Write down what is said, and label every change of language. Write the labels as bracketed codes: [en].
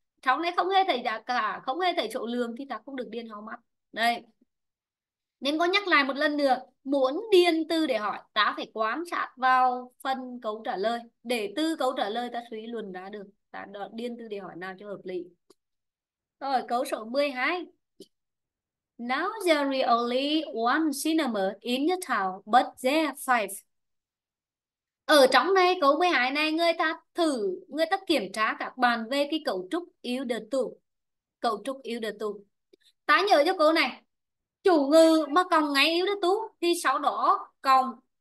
[vi] Sau này không hề thấy giá cả, không hề thấy số lượng thì ta không được điền how much. Đây. Nên có nhắc lại một lần nữa. Muốn điền từ để hỏi, ta phải quan sát vào phần câu trả lời. Để từ câu trả lời ta suy luận ra được. Đã điên từ để hỏi nào cho hợp lý. Rồi câu số 12. [en] Now there is only one cinema in the town, but there are five. [vi] Ở trong này câu 12 này người ta kiểm tra các bạn về cái cấu trúc yếu đờ tù. Cấu trúc yếu đờ tù. Ta nhớ cho câu này. Chủ ngữ mà cộng ngay yếu đờ tù thì sau đó cộng.